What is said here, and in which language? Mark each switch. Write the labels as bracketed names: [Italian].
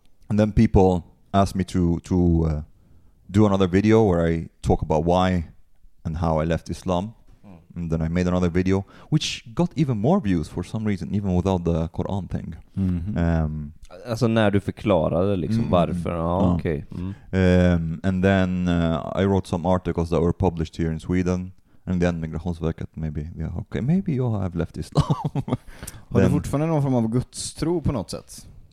[English] And then people asked me to do another video where I talk about why and how I left Islam. Mm. And then I made another video, which got even more views for some reason, even without the Quran thing. Mm-hmm. [Swedish] Alltså när du förklarade liksom varför. [English] Okay. Mm. And then I wrote some articles that were published here in Sweden. And then Migrationsverket, maybe you have left Islam. [Swedish] Har du fortfarande någon form av gudstro på något sätt?